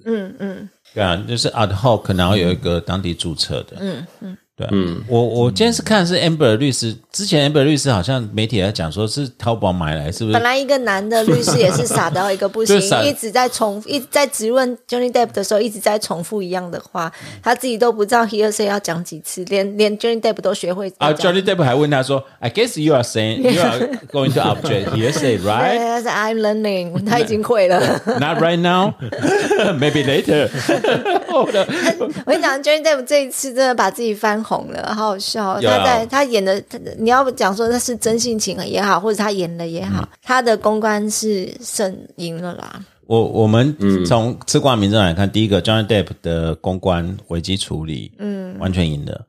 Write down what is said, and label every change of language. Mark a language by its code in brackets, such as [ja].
[zh] 嗯嗯，对啊，就是 ad hoc， 然后有一个当地注册的，嗯嗯，对、啊，嗯，我今天是看的是 Amber 律师，之前 Amber 律师好像媒体在讲说是淘宝买来，是不是？本来一个男的律师也是傻到一个不行，一直在重复，一直在质问 Johnny Depp 的时候，一直在重复一样的话，他自己都不知道 hearsay 要讲几次，连 Johnny Depp 都学会啊。 Johnny Depp 还问他说 [en] ：“I guess you are saying you are going to object hearsay, right？” [zh] 他说 ： [en] “I'm learning， [zh] 他已经会了。 [en] ”Not right now, maybe later 。 [zh] 我跟你讲 ，Johnny Depp 这一次真的把自己翻红了，好好笑。 [en] Yeah. [zh] 他演的，你要讲说他是真性情也好，或者他演的也好、嗯、他的公关是胜赢了啦，我们从吃瓜民众来看，第一个 Johnny Depp 的公关危机处理，嗯，完全赢的。